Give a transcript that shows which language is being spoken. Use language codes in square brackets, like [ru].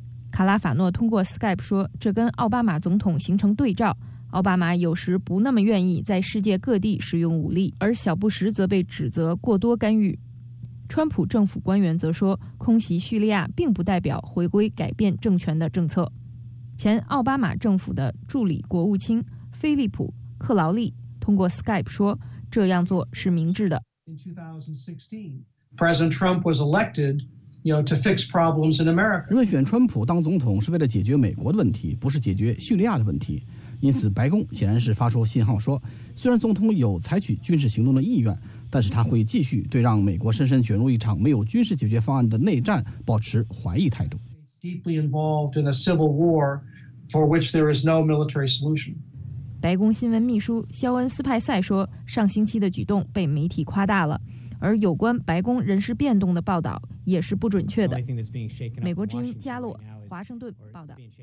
[zh] 卡拉法诺通过 Skype 说，这跟奥巴马总统形成对照，奥巴马有时不那么愿意在世界各地使用武力，而小布什则被指责过多干预。川普政府官员则说，空袭叙利亚并不代表回归改变政权的政策。前奥巴马政府的助理国务卿菲利普·克劳利通过 Skype 说，这样做是明智的。 [en] President Trump was elected, you know, to fix problems in America. [zh] 人们选川普当总统是为了解决美国的问题，不是解决叙利亚的问题。因此，白宫显然是发出信号说，虽然总统有采取军事行动的意愿，但是他会继续对让美国深深卷入一场没有军事解决方案的内战保持怀疑态度。 [en] Deeply involved in a civil war for which there is no military solution. [zh] 白宫新闻秘书肖恩·斯派塞说，上星期的举动被媒体夸大了。而有关白宫人事变动的报道也是不准确的。美国之音加洛华盛顿报道。